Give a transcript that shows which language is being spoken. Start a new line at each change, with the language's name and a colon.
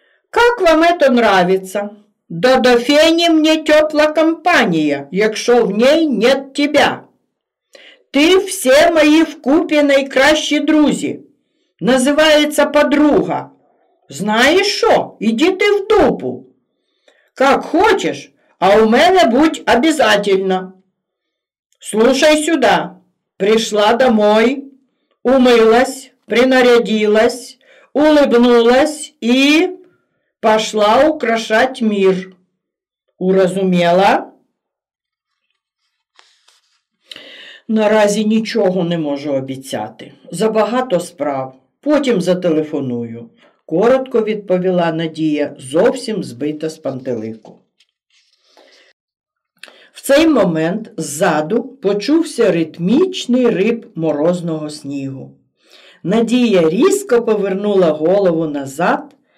Russian: «Как вам это нравится?
Ukrainian: Да до фені мені тепла компанія, якщо в ній нет тебя. Ти всі мої вкупі найкращі друзі. Називається подруга. Знаєш що? Іди ти в дупу. Як хочеш, а у мене будь обов'язково. Слухай сюди.
Russian: Прийшла домой, умилась, принарядилась, улыбнулась і пошла украшать мир.
Ukrainian: Урозуміла?» «Наразі нічого не можу обіцяти. Забагато справ. Потім зателефоную», – коротко відповіла Надія, зовсім збита з пантелику. В цей момент ззаду почувся ритмічний рип морозного снігу. Надія різко повернула голову назад